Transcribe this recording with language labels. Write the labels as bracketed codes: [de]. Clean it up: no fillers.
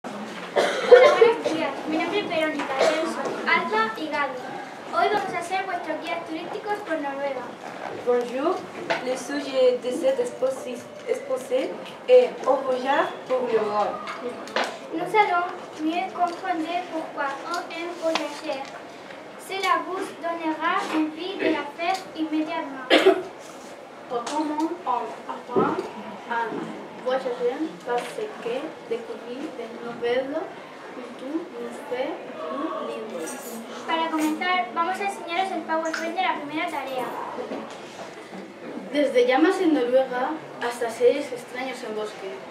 [es] Mi nombre es Verónica, yo soy Alba y Gaby. Hoy vamos a ser vuestros guías turísticos por Noruega. [fr] Bonjour, le sujet de cette exposé est au voyage pour l'Europe. Nous allons mieux comprendre pourquoi on aime voyager. Cela vous donnera envie de la faire immédiatement. Comment on apprend à voyager? Parce que découvrir de nouvelles culture nous fait plus libre. [es] Para comenzar, vamos a enseñaros el PowerPoint de la primera tarea. Desde llamas en Noruega hasta seres extraños en bosque.